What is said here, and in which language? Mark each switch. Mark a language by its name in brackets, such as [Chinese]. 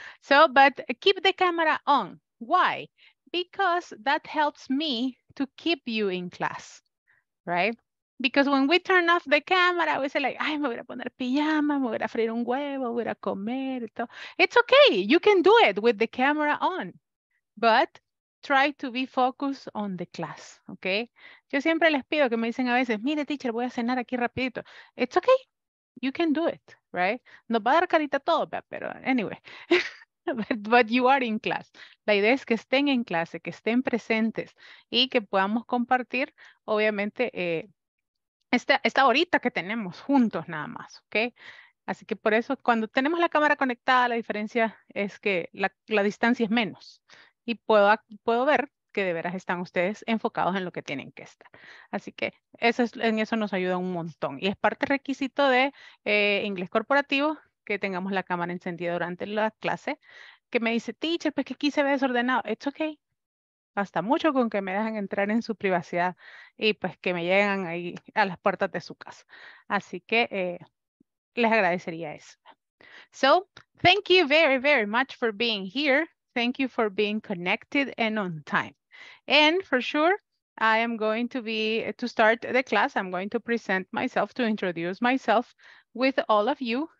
[English] So, but keep the camera on. Why? Because that helps me to keep you in class, right? Because when we turn off the camera, we say like, [Spanish] ay, me voy a poner pijama, me voy a freír un huevo, voy a comer. Y todo. [English] It's okay. You can do it with the camera on. But try to be focused on the class, okay? [Spanish] Yo siempre les pido que me dicen a veces, mire, teacher, voy a cenar aquí rapidito. [English] It's okay. You can do it, right? [Spanish] Nos va a dar carita todo, pero [English] anyway. But you are in class. [Spanish] La idea es que estén en clase, que estén presentes y que podamos compartir, obviamente, esta horita que tenemos juntos nada más, okay? Así que por eso, cuando tenemos la cámara conectada, la diferencia es que la distancia es menos. Y puedo ver que de veras están ustedes enfocados en lo que tienen que estar. Así que eso es, en eso nos ayuda un montón. Y es parte requisito de inglés corporativo que tengamos la cámara encendida durante la clase. Que me dice, teacher, pues que aquí se ve desordenado. It's okay. Basta mucho con que me dejan entrar en su privacidad y pues que me lleguen ahí a las puertas de su casa. Así que les agradecería eso. [English] So, thank you very, very much for being here. Thank you for being connected and on time. And for sure, I am going to be, to start the class, I'm going to present myself, to introduce myself with all of you.